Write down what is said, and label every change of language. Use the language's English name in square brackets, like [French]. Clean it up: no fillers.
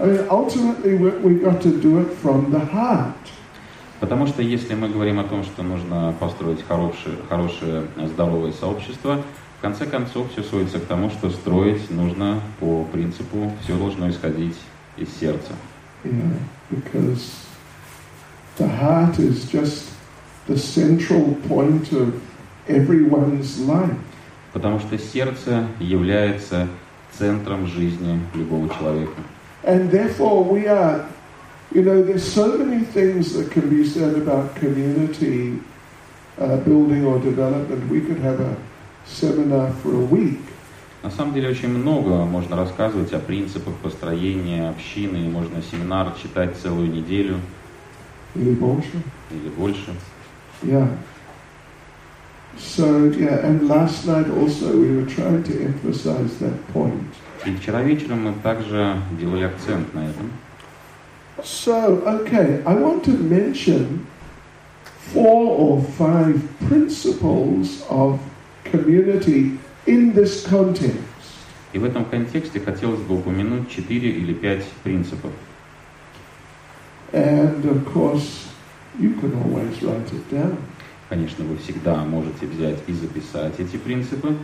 [English] Ultimately, we got to do it from the heart. [Russian] Потому что если мы говорим о том, что нужно построить хорошее здоровое сообщество, в конце концов все сводится к тому, что строить нужно по принципу все должно исходить из сердца. [English] Yeah, because the heart is just the central point of everyone's life. [Russian] Потому что сердце является центром жизни любого человека. [English] And therefore we are, you know, there's so many things that can be said about community building or development. We could have a seminar for a week. [Russian] На самом деле очень много можно рассказывать о принципах построения общины, и можно семинар читать целую неделю. Или больше. Или больше. [English] Yeah. So yeah, and last night also we were trying to emphasize that point. [Russian] И вчера вечером мы также делали акцент на этом. [English] So, okay, I want to mention four or five principles of community in this context. [Russian] И в этом контексте хотелось бы упомянуть 4 или 5 принципов. [English] And of course, you can always write it down. [Russian] Конечно, вы всегда можете взять и записать эти принципы.